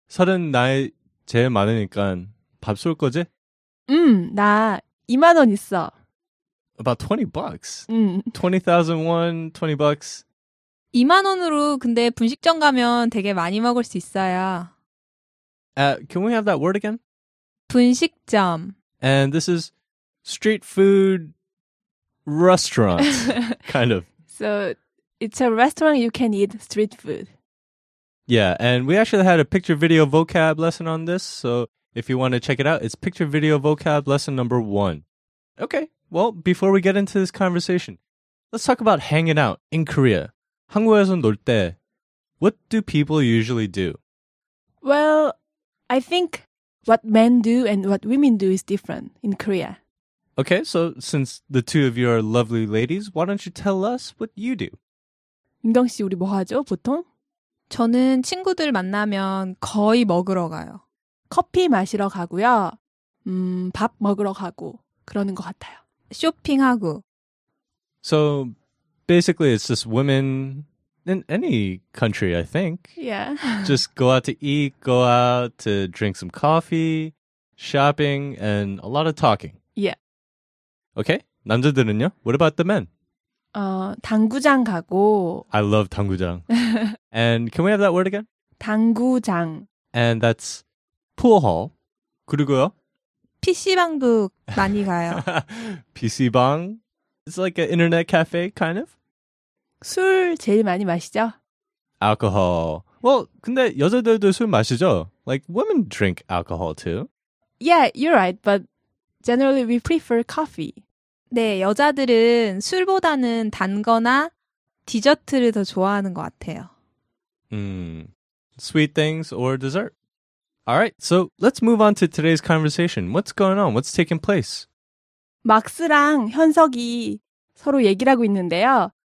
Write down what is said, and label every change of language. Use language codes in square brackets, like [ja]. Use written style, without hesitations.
[ko] 서른 나이 제일 많으니까 밥 쏠 거지? 나 2만 원 있어. [en] About 20 bucks. 20,000 won, 20 bucks. [ko] 2만 원으로 근데 분식점 가면 되게 많이 먹을 수 있어요. [en] Can we have that word again? [ko] 분식점. [en] And this is street food restaurant, kind of. So it's a restaurant you can eat street food. Yeah, and we actually had a picture video vocab lesson on this. So if you want to check it out, it's picture video vocab lesson number 1. Okay. Well, before we get into this conversation, let's talk about hanging out in Korea. [ko] 한국에서 놀 때, [en] what do people usually do? Well, I think what men do and what women do is different in Korea. Okay, so since the two of you are lovely ladies, why don't you tell us what you do? [ko] 민경 씨, 우리 뭐 하죠, 보통? 저는 친구들 만나면 거의 먹으러 가요. 커피 마시러 가고요. 밥 먹으러 가고 그러는 것 같아요. 쇼핑하고. [en] So basically it's just women in any country, I think. Yeah. Just go out to eat, go out to drink some coffee, shopping, and a lot of talking. Yeah. Okay, [ko] 남자들은요? [en] What about the men? [ko] 당구장 가고. [en] I love 당구장. And can we have that word again? [ko] 당구장. [en] And that's pool hall. [ko] 그리고요? PC방도 많이 가요. [en] PC방? It's like an internet cafe, kind of? [ko] 술 제일 많이 마시죠? [en] Alcohol. Well, [ko] 근데 여자들도 술 마시죠? [en] Like, women drink alcohol too. Yeah, you're right, but generally we prefer coffee. [ko] 네, 여자들은 술보다는 단 거나 디저트를 더 좋아하는 것 같아요. [en] Sweet things or dessert? Alright, so let's move on to today's conversation. What's going on? What's taking place? [ko] 막스랑 현석이 서로 얘기를 하고 있는데요.